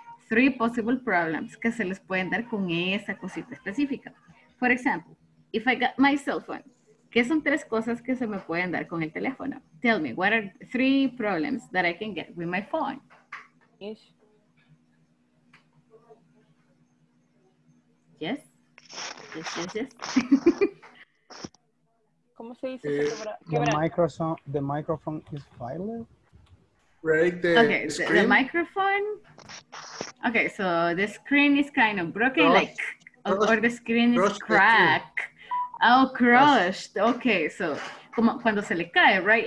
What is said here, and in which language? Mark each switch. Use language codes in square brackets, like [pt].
[en] three possible problems [es] que se les pueden dar con esa cosita específica. [en] For example, if I got my cell phone, [es] ¿qué son tres cosas que se me pueden dar con el teléfono? [en] Tell me, what are three problems that I can get with my phone? Yes. Yes, yes, yes, yes. [es] ¿Cómo se dice? Quebra, [en] the microphone, the microphone is violent. Break the okay, screen. The microphone. Okay, so the screen is kind of broken, crushed. Like, or the screen is crushed, cracked. Oh, crushed. Okay, so, [es] como cuando se le cae, right?